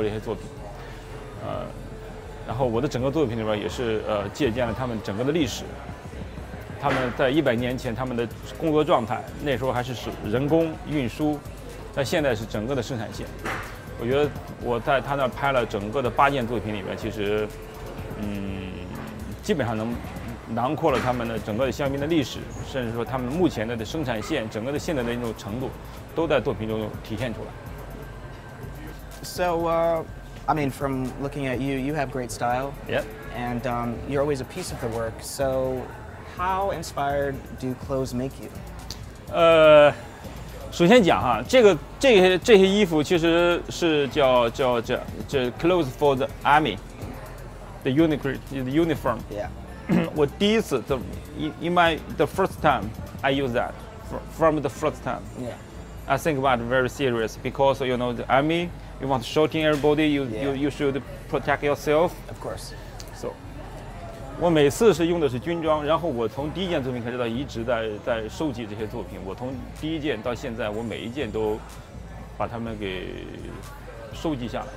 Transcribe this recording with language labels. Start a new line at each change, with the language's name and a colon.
Chinese: 我去了他们整个的生产的车间，从他们的葡萄园开始，从他们的这个包括他们的这个车间，它的生产线，然后做了一个整个的一个勘察，然后就觉得哎，它整个的这个包括他们的整个在这儿工作的这些人群啊，特别的就是充满了热情，也感染到我，所以说决定在这儿做这些作品。然后我的整个作品里边也是借鉴了他们整个的历史，他们在100年前他们的工作状态，那时候还是人工运输，那现在是整个的生产线。我觉得我在他那拍了整个的八件作品里面，其实基本上能囊括了他们的整个香槟的历史，甚至说他们目前的生产线整个的现在的那种程度都在作品中体现出来。
English: So, I mean, from looking at you, you have great style. Yep. And you're always a piece of the work. So, how inspired do clothes make you?
Chinese: 首先讲哈，这些衣服其实是叫
English: clothes for the army, the uniform. Yeah.
Chinese: 我第一次
English: the first time I use that from the first time. Yeah. I think about it very serious because you know the army. You want shooting everybody, you should protect yourself. Of course.
Chinese: So, 我每次是用的是军装，然后我从第一件作品开始到一直在收集这些作品。我从第一件到现在，我每一件都把它们给收集下来。